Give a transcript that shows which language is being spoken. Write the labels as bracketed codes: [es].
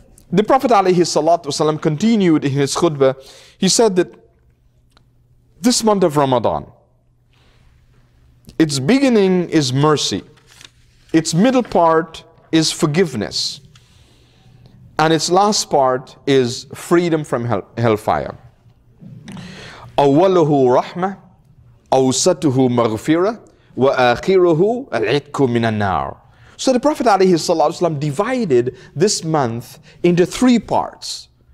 [en] The Prophet alayhi salatu wasalam continued in his khutbah. He said that this month of Ramadan, its beginning is mercy, its middle part is forgiveness, and its last part is freedom from hellfire. [ar] أوله رحمة أوسطه مغفرة وآخره العتق من النار. [en] So the Prophet alayhi salatu wasalam divided this month into three parts.